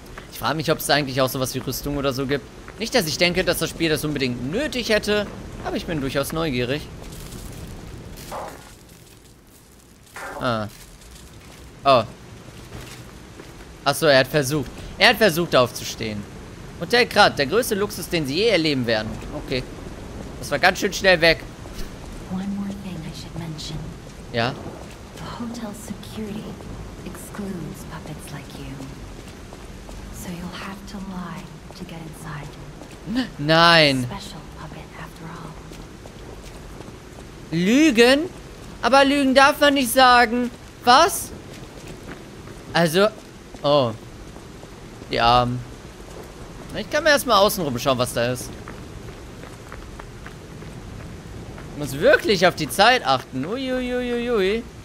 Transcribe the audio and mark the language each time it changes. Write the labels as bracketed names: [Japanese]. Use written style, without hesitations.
[German] Ich frage mich, ob es eigentlich auch sowas wie Rüstung oder so gibt. Nicht, dass ich denke, dass das Spiel das unbedingt nötig hätte. Aber ich bin durchaus neugierig. Ah. Oh. Achso, er hat versucht. Er hat versucht, aufzustehen. Hotel Krat, der größte Luxus, den sie je erleben werden. Okay. Das war ganz schön schnell weg. [English] One more thing I should mention. [German] Ja? [English] The hotel security excludes puppets like you. So you'll have to lie to get inside. [German] Nein. [English] Special puppet after all. [German] Lügen? Aber Lügen darf man nicht sagen. Was? Also... Oh. Die Armen. Ich kann mir erstmal außenrum schauen, was da ist. Ich muss wirklich auf die Zeit achten. Uiuiuiui.